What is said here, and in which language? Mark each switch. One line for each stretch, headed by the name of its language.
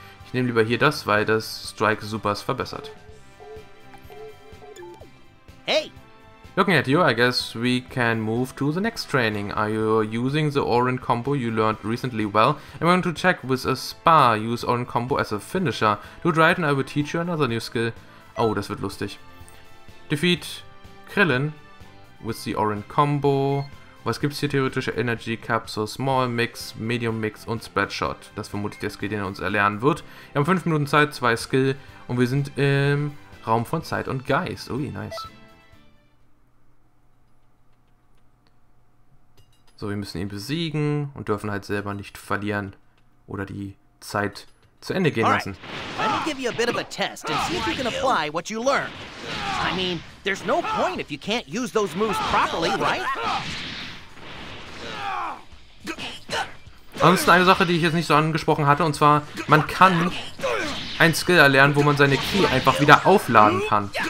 German: Ich nehme lieber hier das, weil das Strike Supers verbessert.
English: Hey! Looking at you, I guess we can move to the next training. Are you using the Orin combo you learned recently well? I'm going to check with a spa. Use Orin combo as a finisher. Do it right and I will teach you another new skill.
German: Oh, das wird lustig.
English: Defeat Krillin with the Orin combo.
German: Was gibt's hier theoretisch? Energy Capsule, Small Mix, Medium Mix und Spreadshot. Das vermutlich der Skill, den er uns erlernen wird. Wir haben 5 Minuten Zeit, 2 Skill und wir sind im Raum von Zeit und Geist. Ui, nice. So, wir müssen ihn besiegen und dürfen halt selber nicht verlieren oder die Zeit zu Ende gehen lassen.
English: Let me give you a bit of a test and see if you can apply what you learned. I mean, there's no point if you can't use those moves properly, right?
German: Ansonsten eine Sache, die ich jetzt nicht so angesprochen hatte, und zwar, man kann ein Skill erlernen, wo man seine Ki einfach wieder aufladen kann.